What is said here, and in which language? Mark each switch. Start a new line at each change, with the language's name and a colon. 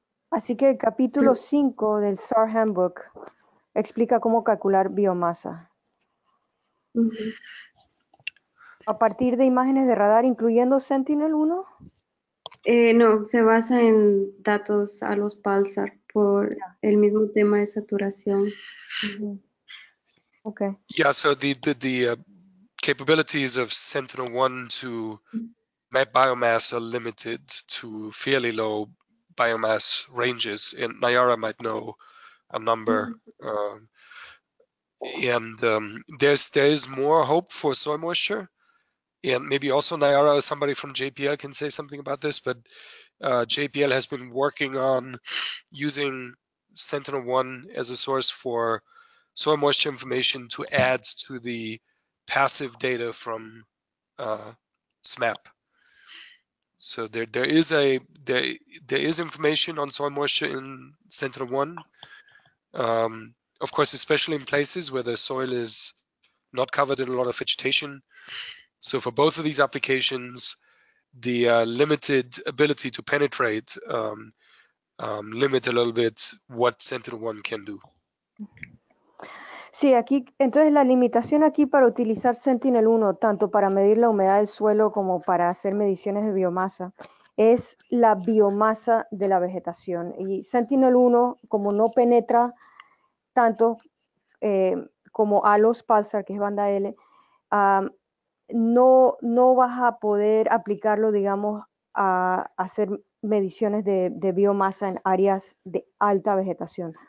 Spanish: Así que el capítulo 5 sí. Del SAR Handbook explica cómo calcular biomasa. Uh-huh. ¿A partir de imágenes de radar incluyendo Sentinel-1? No, se basa en datos a los pulsar por el mismo tema de saturación. Uh-huh. Ok.
English: Yeah, so the capabilities of Sentinel-1 to map biomass are limited to fairly low biomass ranges, and Nayara might know a number. There is more hope for soil moisture, and maybe also Nayara, somebody from JPL, can say something about this. But JPL has been working on using Sentinel-1 as a source for soil moisture information to add to the passive data from SMAP. So there is information on soil moisture in Sentinel-1. Of course, especially in places where the soil is not covered in a lot of vegetation. So for both of these applications, the limited ability to penetrate limits a little bit what Sentinel-1 can do.
Spanish: Sí, aquí entonces la limitación aquí para utilizar Sentinel-1, tanto para medir la humedad del suelo como para hacer mediciones de biomasa, es la biomasa de la vegetación. Y Sentinel-1, como no penetra tanto como ALOS pulsar, que es banda L, no vas a poder aplicarlo, digamos, a hacer mediciones de biomasa en áreas de alta vegetación.